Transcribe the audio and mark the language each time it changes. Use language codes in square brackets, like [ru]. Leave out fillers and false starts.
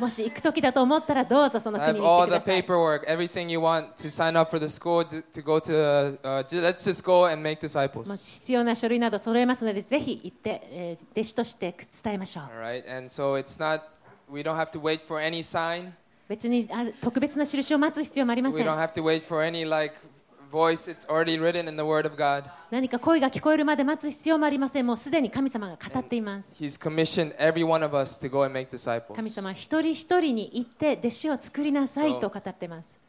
[ja] もし行く時だと思ったらどうぞその国に行ってください。 [en] I have all the paperwork, everything you want to sign up for the school to go to. Let's just go and make disciples. [ja] もし必要な書類など揃えますのでぜひ行って弟子として伝えましょう。 [en] All right, and so it's not. We don't have to wait for any sign. [ja] 別に特別な印を待つ必要もありません。 [en] We don't have to wait for any like. Voice, it's already written in the Word of God. [ja] 何か声が聞こえるまで待つ必要もありません。もうすでに神様が語っています。 [en] He's commissioned every one of us to go and make disciples. [ja] 神様一人一人に行って弟子を作りなさいと語っています。